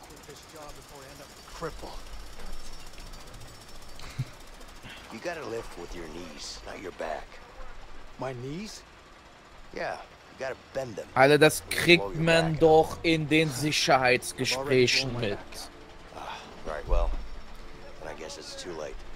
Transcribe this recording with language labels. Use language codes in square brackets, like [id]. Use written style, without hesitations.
[en] This job before I end up a cripple. You gotta lift with your knees, not your back. My knees? Yeah, you gotta bend them. [de] Alter, das kriegt man doch in den Sicherheitsgesprächen mit. [en] Right, well, then I guess it's too late.